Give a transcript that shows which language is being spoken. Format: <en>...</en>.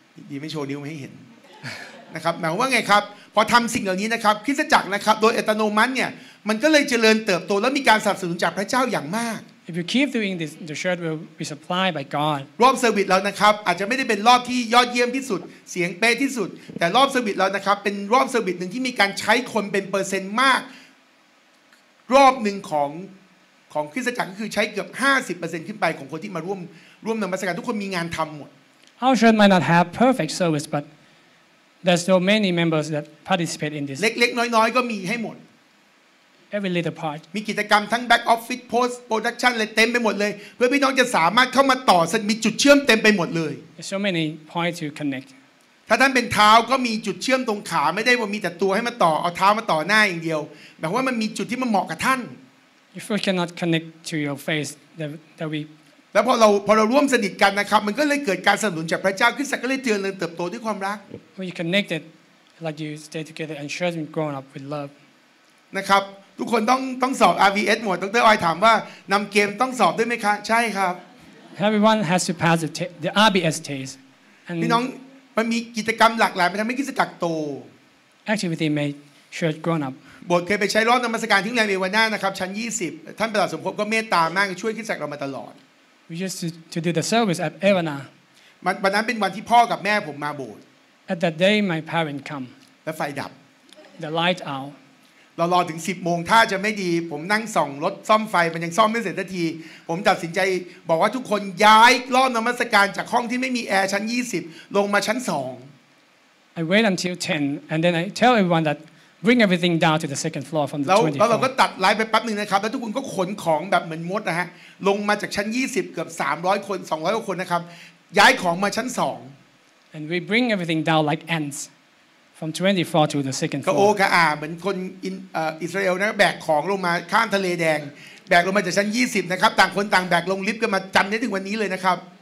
<th>ดีไม่โชว์นิ้วไม่ให้เห็นนะครับหมายความว่าไงครับพอทำสิ่งเหล่านี้นะครับคริสตจักรนะครับโดยอัตโนมัติเนี่ยมันก็เลยเจริญเติบโตและมีการสนับสนุนจากพระเจ้าอย่างมาก</th> <en>If you keep doing this, the church will be supplied by God.</en> <th>รอบเซอร์วิสเรานะครับอาจจะไม่ได้เป็นรอบที่ยอดเยี่ยมที่สุดเสียงเป๊ะที่สุดแต่รอบเซอร์วิสเรานะครับเป็นรอบเซอร์วิสหนึ่งที่มีการใช้คนเป็นเปอร์เซ็นต์มากรอบหนึ่งของคริสตจักรก็คือใช้เกือบ 50% ขึ้นไปของคนที่มาร่วมในมัสการทุกคนมีงานทำหมด</th> <en>Our church might not have perfect service, but there's so many members that participate in this.</en> <th>เล็กๆน้อยๆก็มีให้หมด</th> <en>Every little part.</en> <th>มีกิจกรรมทั้ง back office, post production, เลยเต็มไปหมดเลยเพื่อพี่น้องจะสามารถเข้ามาต่อมีจุดเชื่อมเต็มไปหมดเลย</th> <en>There's so many points to connect.</en> <th>ถ้าท่านเป็นเท้าก็มีจุดเชื่อมตรงขาไม่ได้ว่ามีแต่ตัวให้มาต่อเอาเท้ามาต่อหน้าอย่างเดียวหมายความว่ามันมีจุดที่มันเหมาะกับท่าน</th> <en>If you cannot connect to your face, that we.</en> <th>แล้วพอเราร่วมสนิทกันนะครับมันก็เลยเกิดการสนับสนุนจากพระเจ้าขึ้นสักก็เลยเติบโตเติบโตด้วยความรัก</th> <en>When you connected, like you stay together and share and grow up with love.</en> <th>นะครับทุกคนต้องสอบ RVS หมดดร.ออยถามว่านำเกมต้องสอบด้วยไหมคะใช่ครับ</th> <en>Everyone has to pass the RBS test.</en> <th>พี่น้องมันมีกิจกรรมหลากหลายมันทำให้คริสตจักรโต</th> <en>Activity made church grown up.</en> <th>บทเคยไปใช้รอบนมัสการที่โรงแรมเอวาน่านะครับชั้น20ท่านประหลัดสมภพก็เมตตามากช่วยคริสตจักรเรามาตลอด</th> <en>We just to do the service at Evana.</en> <th>วันนั้นเป็นวันที่พ่อกับแม่ผมมาโบสถ์</th> <en>At that day my parents come.</en> <th>แล้วไฟดับ</th> <en>The light out</en> <th>เรารอถึง10โมงถ้าจะไม่ดีผมนั่งส่องรถซ่อมไฟมันยังซ่อมไม่เสร็จสักทีผมตัดสินใจบอกว่าทุกคนย้ายรอบนมัสการจากห้องที่ไม่มีแอร์ชั้น20ลงมาชั้น2</th> <en>I wait until 10 and then I tell everyone that bring everything down to the second floor from the 24</en> <th>แล้วเราก็ตัดไลฟ์ไปแป๊บนึงนะครับแล้วทุกคนก็ขนของแบบเหมือนมดนะฮะลงมาจากชั้น20เกือบ300คน200กว่าคนนะครับย้ายของมาชั้น2</th> <en>And we bring everything down like antsFrom 24 to the second floor.</en> <th>ก็โอ้ก็อ่าเหมือนคนอิสราเอลนะแบกของลงมาข้ามทะเลแดงแบกลงมาจากชั้น20นะครับต่างคนต่างแบกลงลิฟต์กันมาจำได้ถึงวันนี้เลยนะครับ</th>